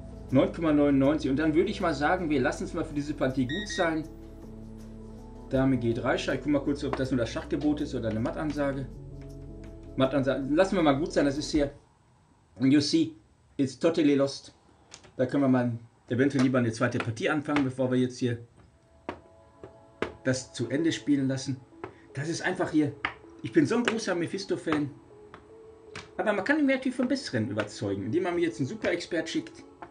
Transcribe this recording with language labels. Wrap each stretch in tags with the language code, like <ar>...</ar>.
<de>9,99 und dann würde ich mal sagen, wir lassen es mal für diese Partie gut sein. Dame G3, ich guck mal kurz, ob das nur das Schachgebot ist oder eine Mattansage. Lassen wir mal gut sein, das ist hier.</de> <en>You see, it's totally lost.</en> <de>Da können wir mal eventuell lieber eine zweite Partie anfangen, bevor wir jetzt hier das zu Ende spielen lassen. Das ist einfach hier. Ich bin so ein großer Mephisto-Fan. Aber man kann ihn natürlich vom Besseren überzeugen, indem man mir jetzt einen Super-Expert schickt.</de>